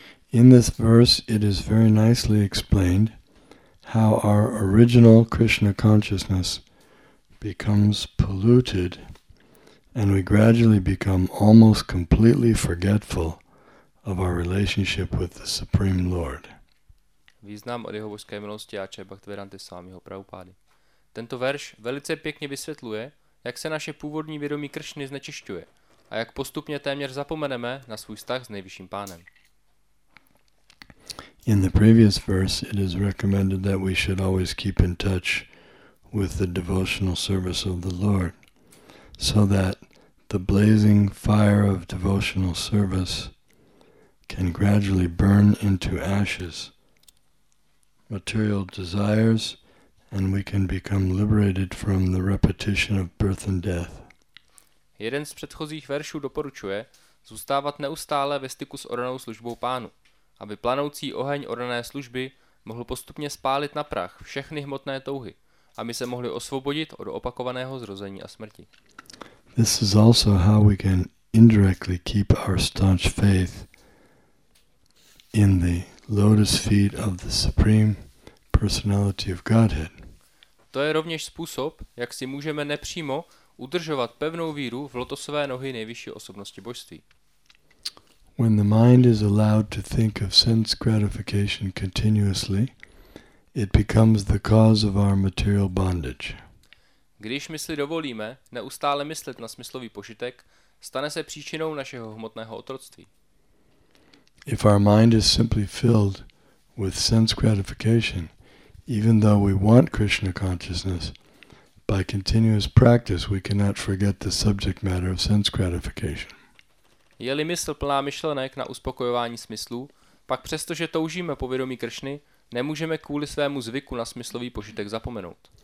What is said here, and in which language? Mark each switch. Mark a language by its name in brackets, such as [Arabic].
[English] In this verse, it is very nicely explained how our original Krishna consciousness becomes polluted and we gradually become almost completely forgetful of our relationship with the Supreme Lord. [Czech] Význam od jeho božské milosti Ače Bhaktivedanty Svámiho Prabhupády. Tento verš velice pěkně vysvětluje, jak se naše původní vědomí Kršny znečišťuje a jak postupně téměř zapomeneme na svůj vztah s nejvyšším pánem. [English] In the previous verse, it is recommended that we should always keep in touch with the devotional service of the Lord, so that the blazing fire of devotional service can gradually burn into ashes material desires, and we can become liberated from the repetition of birth and death. [Czech] Jeden z předchozích veršů doporučuje zůstávat neustále ve styku s oranou službou pánu, aby planoucí oheň orané služby mohl postupně spálit na prach všechny hmotné touhy, aby se mohli osvobodit od opakovaného zrození a smrti. [English] This is also how we can indirectly keep our staunch faith in the lotus feet of the Supreme Personality of Godhead. [Czech] To je rovněž způsob, jak si můžeme nepřímo udržovat pevnou víru v lotosové nohy nejvyšší osobnosti božství. [English] When the mind is allowed to think of sense gratification continuously, it becomes the cause of our material bondage. [Czech] Když mysli dovolíme neustále myslet na smyslový požitek, stane se příčinou našeho hmotného otroctví. [English] If our mind is simply filled with sense gratification, even though we want Krishna consciousness, by continuous practice we cannot forget the subject matter of sense gratification. [Czech] Je-li mysl plná myšlenek na uspokojování smyslů, pak přestože toužíme po vědomí Kršny, nemůžeme kvůli svému zvyku na smyslový požitek zapomenout.